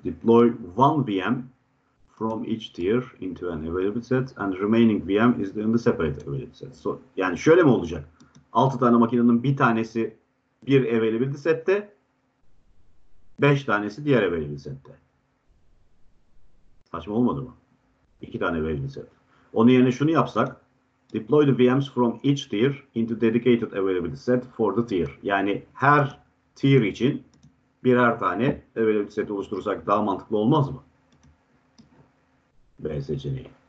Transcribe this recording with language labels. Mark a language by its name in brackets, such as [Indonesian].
[English] Deploy one VM from each tier into an available set and remaining VM is in the separate available set. [Turkish] So, yani şöyle mi olacak? 6 tane makinenin bir tanesi bir available sette, 5 tanesi diğer available sette. Saçma olmadı mı? 2 tane available set. Onun yerine şunu yapsak. [English] Deploy the VMs from each tier into dedicated available set for the tier. [Turkish] Yani her tier için birer tane available set oluşturursak daha mantıklı olmaz mı? B seçeneği.